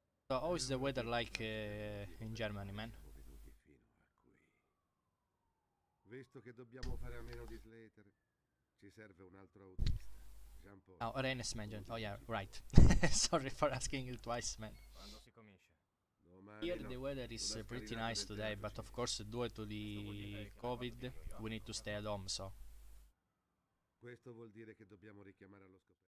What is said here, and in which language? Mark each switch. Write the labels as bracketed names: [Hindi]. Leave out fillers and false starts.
[English] So how is the weather like in Germany, man? [Italian] Visto che dobbiamo fare a meno di Slater, ci serve un altro autista. [English] Oh, Renes mentioned. Oh yeah, right. Sorry for asking it twice, man. [Italian] Quando si comincia? [English] Here the weather is pretty nice today, but of course due to the COVID we need to stay at home, so. [Italian] Questo vuol dire che dobbiamo richiamare allo scoperto.